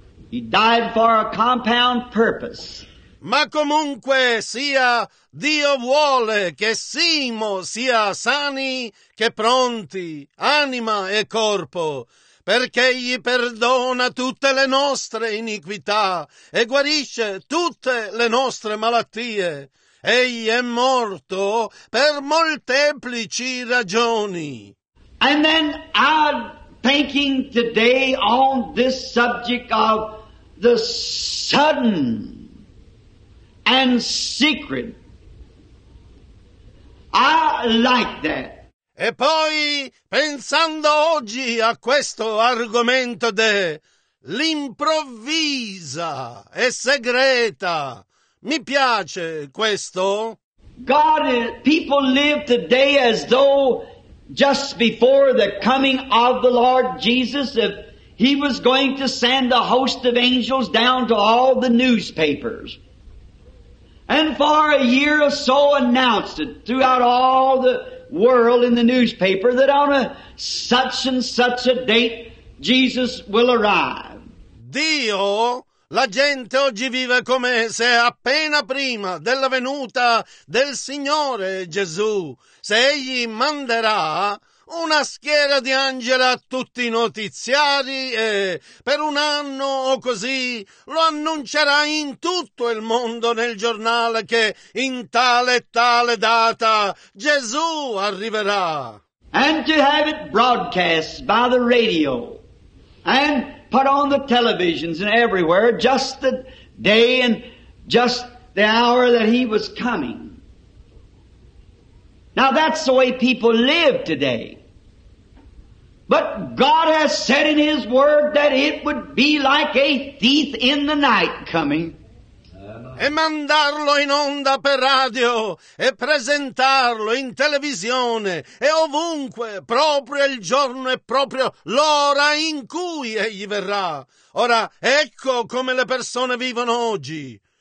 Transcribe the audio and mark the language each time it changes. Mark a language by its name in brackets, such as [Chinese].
[English] He died for a compound purpose. [Italian] Ma comunque sia, Dio vuole che siamo sia sani che pronti, anima e corpo, perché egli perdona tutte le nostre iniquità e guarisce tutte le nostre malattie. Egli è morto per molteplici ragioni. [English] And then I'm thinking today on this subject of the sudden and secret. I like that. [Italian] E poi, pensando oggi a questo argomento dell'improvvisa e segreta, mi piace questo. [English] God, people live today as though just before the coming of the Lord Jesus, if he was going to send a host of angels down to all the newspapers. And for a year or so announced it throughout all the world in the newspaper that on a such and such a date Jesus will arrive. [Italian] Dio, la gente oggi vive come se appena prima della venuta del Signore Gesù, se egli manderà una schiera di angeli a tutti i notiziari e per un anno o così lo annuncerà in tutto il mondo nel giornale che in tale e tale data Gesù arriverà. [English] And to have it broadcast by the radio and put on the televisions and everywhere just the day and just the hour that he was coming. Now that's the way people live today. But God has said in His Word that it would be like a thief in the night coming. [Italian] E mandarlo in onda per radio e presentarlo in televisione e ovunque, proprio il giorno e proprio l'ora in cui egli verrà. Ora, ecco come le persone vivono oggi.